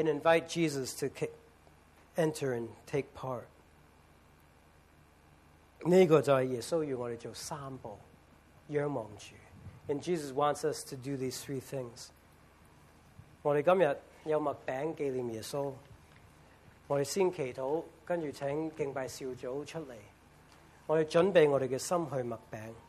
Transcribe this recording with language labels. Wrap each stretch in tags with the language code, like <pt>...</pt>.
<en>And invite Jesus to enter and take part.</en> <zh>这个就是耶稣与我们做三步. 仰望主.</zh> <en>And Jesus wants us to do these three things.</en> <zh>我们今天有麦饼纪念耶稣.我们先祈祷, 跟着请敬拜小组出来. 我们准备我们的心去麦饼.</zh>